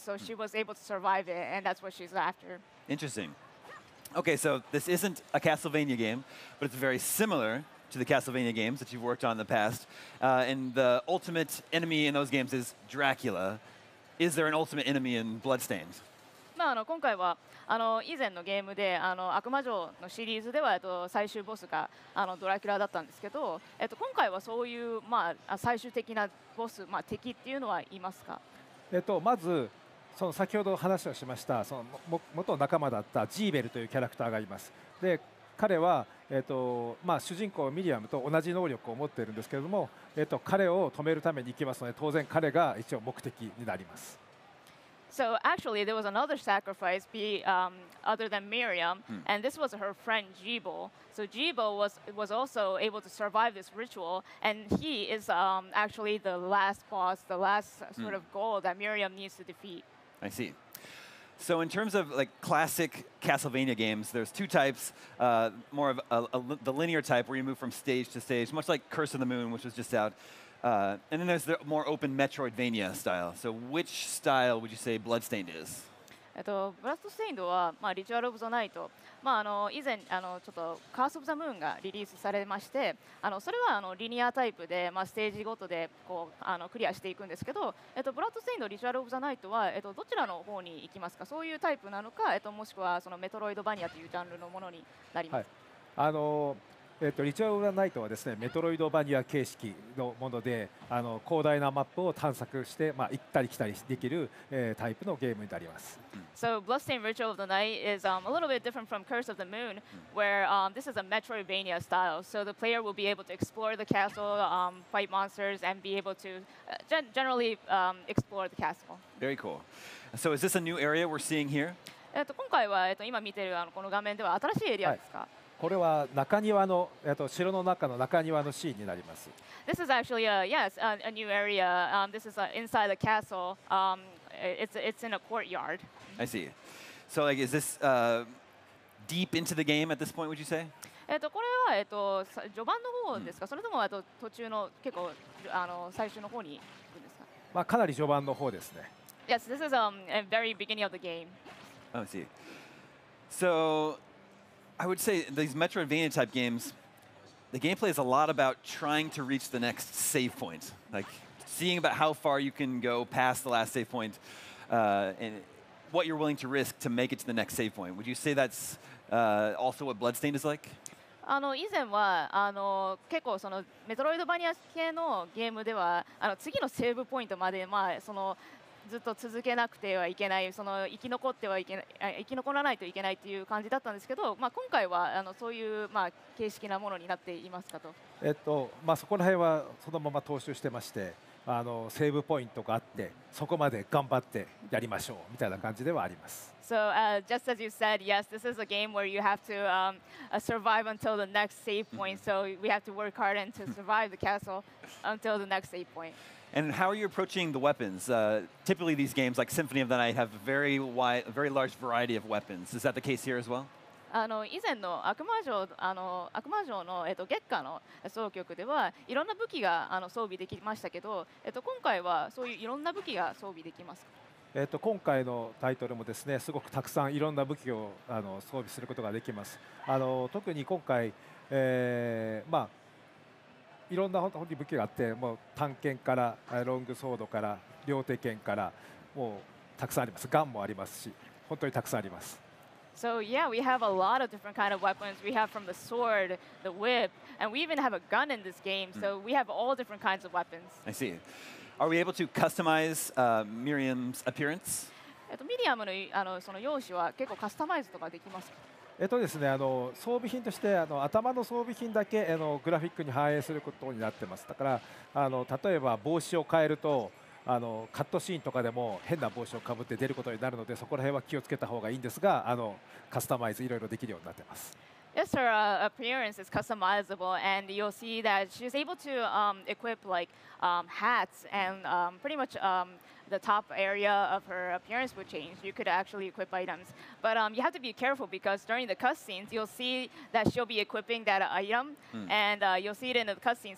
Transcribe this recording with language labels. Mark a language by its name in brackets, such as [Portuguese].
[English] So she was able to survive it. And that's what she's after. Interesting. Okay, so this isn't a Castlevania game, but it's very similar to the Castlevania games that you've worked on in the past. And the ultimate enemy in those games is Dracula. Is there an ultimate enemy in Bloodstained? [Japanese] まあ、今回はあの以前のゲームで悪魔城のシリーズでは最終ボスがドラキュラだったんですけど、今回はそういう、まあ、最終的なボス、まあ、敵っていうのはいますか？まずその先ほど話をしましたその元仲間だったジーベルというキャラクターがいます。で彼は、まあ、主人公ミリアムと同じ能力を持っているんですけれども、彼を止めるために行きますので、当然彼が一応目的になります。 [English] So actually there was another sacrifice other than Miriam and this was her friend Jeebo. So Jeebo was also able to survive this ritual and he is actually the last boss, the last sort of goal that Miriam needs to defeat I see. So in terms of like classic Castlevania games, there's two types, more of the linear type where you move from stage to stage, much like Curse of the Moon, which was just out. And then there's the more open Metroidvania style. So which style would you say Bloodstained is? Bloodstained is、まあ、Ritual of the Night. [Japanese] まあ、あの以前あのちょっとカース・オブ・ザ・ムーンがリリースされまして、あのそれはあのリニアタイプで、まあ、ステージごとでこうあのクリアしていくんですけど、ブラッド・ステインド・リチュアル・オブ・ザ・ナイトは、どちらの方に行きますか？そういうタイプなのか、もしくはそのメトロイド・バニアというジャンルのものになります。はい、リチャード・ナイトはですね、メトロイドバニア形式のもので、広大なマップを探索して、まあ、行ったり来たりできる、タイプのゲームになります。 [English] So, Bloodstained Ritual of the Night is a little bit different from Curse of the Moon, where this is a Metroidvania style. So the player will be able to explore the castle, fight monsters, and be able to generally explore the castle. Very cool. So is this a new area we're seeing here? [Japanese] 今回は、今見ているこの画面では新しいエリアですか？はい、これは中庭の、城の中の中庭のシーンになります。 [English] This is actually a, yes, a new area. This is inside the castle. It's in a courtyard. I see. So, like, is this deep into the game at this point, would you say? [Japanese] これは、序盤の方ですか、それとも途中の結構最初の方に行くんですか？まあ、かなり序盤の方ですね。 [English] Yes, this is a very beginning of the game. I see. So... I would say these Metroidvania type games, the gameplay is a lot about trying to reach the next save point, like seeing about how far you can go past the last save point, and what you're willing to risk to make it to the next save point. Would you say that's also what Bloodstained is like? [Japanese] 以前は結構そのメトロイドバニア系のゲームでは次のセーブポイントまで、まあそのずっと続けなくてはいけない、その生き残ってはいけない、生き残らないといけないっていう感じだったんですけど、まあ、今回はそういう、まあ、形式なものになっていますかと。まあ、そこら辺はそのまま踏襲してまして、セーブポイントがあって、そこまで頑張ってやりましょうみたいな感じではあります。 [English] So, just as you said, yes, this is a game where you have to survive until the next save point. So we have to work hard and to survive the castle until the next save point. And how are you approaching the weapons? Typically, these games like Symphony of the Night have a very large variety of weapons. Is that the case here as well? [Japanese] 以前の悪魔城の月下の奏曲では、いろんな武器が装備できましたけど、今回はそういういろんな武器が装備できますか？今回のタイトルもですね、すごくたくさんいろんな武器を装備することができます。特に今回、まあ、いろんな本当に武器があって、もう短剣からロングソードから両手剣からもうたくさんあります。ガンもありますし、本当にたくさんあります。 [English] So yeah, we have a lot of different kind of weapons. We have from the sword, the whip, and we even have a gun in this game. So we have all different kinds of weapons. I see. Are we able to customize Miriam's appearance? [Japanese] ミリアムのその容姿は結構カスタマイズとかできますか？ですね、装備品として頭の装備品だけグラフィックに反映することになってます。だから例えば帽子を変えるとカットシーンとかでも変な帽子をかぶって出ることになるので、そこら辺は気をつけた方がいいんですが、カスタマイズいろいろできるようになってます。 [English] Yes, her appearance is customizable, and you'll see that she's able to equip like hats and pretty much the top area of her appearance would change. You could actually equip items, but you have to be careful because during the cutscenes, you'll see that she'll be equipping that item, and you'll see it in the cutscene.